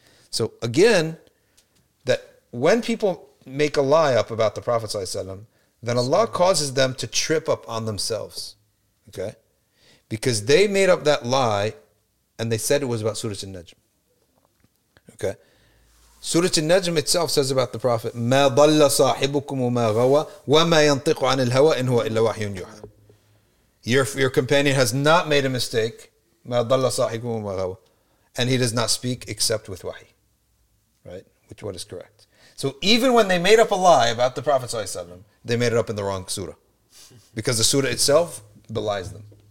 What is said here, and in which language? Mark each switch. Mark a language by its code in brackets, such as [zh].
[en] So again, that when people make a lie up about the Prophet ﷺ, then Allah causes them to trip up on themselves. Okay? Because they made up that lie and they said it was about Surah An-Najm. Okay? [ar] Surah An-Najm itself says about the Prophet, مَا ضَلَّ صَاحِبُكُمْ وَمَا غَوَى وَمَا يَنْطِقُ عَنِ الْهَوَى إِنْ هُوَ إِلَّا وَحْيٌ يُحَى. [en] Your companion has not made a mistake, [ar] مَا ضَلَّ صَاحِبُكُمْ وَمَا غَوَى, [en] and he does not speak except with wahi. Right? Which what is correct. So even when they made up a lie about the Prophet ﷺ, they made it up in the wrong surah. Because the surah itself belies them.